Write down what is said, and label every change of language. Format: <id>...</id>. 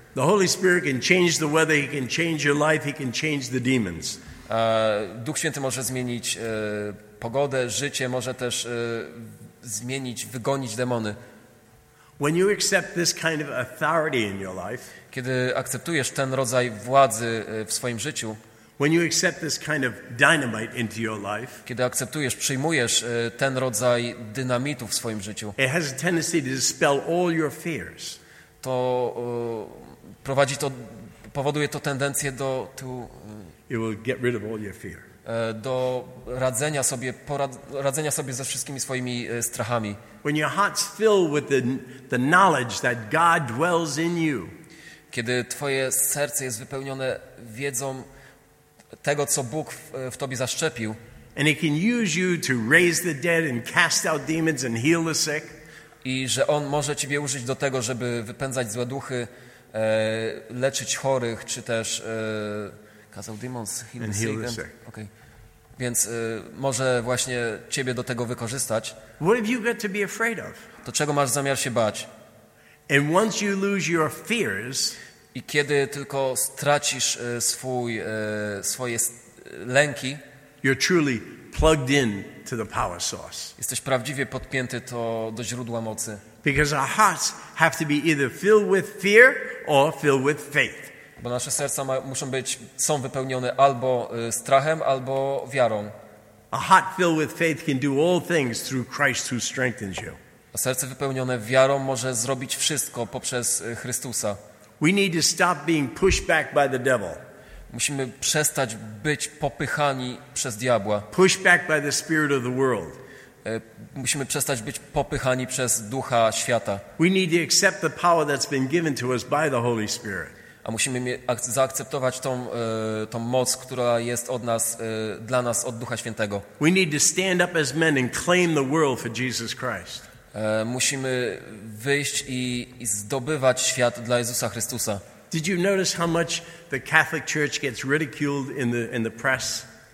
<en>The Holy Spirit can change the weather. He can change your life. He can change the demons.</en> <pl>Duch Święty może zmienić pogodę, życie, może też zmienić, wygonić demony.</pl> <en>When you accept this kind of authority in your life,</en> <pl>kiedy akceptujesz ten rodzaj władzy w swoim życiu,</pl> <en>when you accept this kind of dynamite into your life,</en> <pl>kiedy akceptujesz, przyjmujesz ten rodzaj dynamitu w swoim życiu,</pl> <en>it has a tendency to dispel all your fears.</en> <pl>To prowadzi to, powoduje to tendencję do tu.</pl> <en>It will get rid of all your fear.</en> <pl>Do radzenia sobie, radzenia sobie ze wszystkimi swoimi strachami.</pl> <en>When your heart's filled with the knowledge that God dwells in you.</en> <pl>Kiedy twoje serce jest wypełnione wiedzą tego, co Bóg w tobie zaszczepił.</pl> <en>And he can use you to raise the dead and cast out demons and heal the sick.</en> <pl>I że on może ciebie użyć do tego, żeby wypędzać złe duchy, leczyć chorych, czy też kazał</pl> <en>demons, heal the sick. Okay.</en> <pl>Więc może właśnie ciebie do tego wykorzystać.</pl> <en>What have you got to be afraid of?</en> <pl>To czego masz zamiar się bać?</pl> <en>And once you lose your fears,</en> <pl>i kiedy tylko stracisz swoje lęki,</pl> <en>you're truly plugged in to the power source.</en> <pl>Jesteś prawdziwie podpięty do źródła mocy.</pl> <en>Because our hearts have to be either filled with fear or filled with faith.</en> <pl>Bo nasze serca są wypełnione albo strachem, albo wiarą.</pl> <en>A heart filled with faith can do all things through Christ who strengthens you.</en> <pl>A serce wypełnione wiarą może zrobić wszystko poprzez Chrystusa.</pl> <en>We need to stop being pushed back by the devil.</en> <pl>Musimy przestać być popychani przez diabła.</pl> <en>Pushed back by the spirit of the world.</en> <pl>Musimy przestać być popychani przez ducha świata.</pl> <en>We need to accept the power that's been given to us by the Holy Spirit.</en> <pl>A musimy zaakceptować tą moc, która jest od nas, dla nas od Ducha Świętego.</pl> <en>We need to stand up as men and claim the world for Jesus Christ.</en> <pl>Musimy wyjść i zdobywać świat dla Jezusa Chrystusa.</pl> <en>Did you notice how much the Catholic Church gets ridiculed in the press?</en>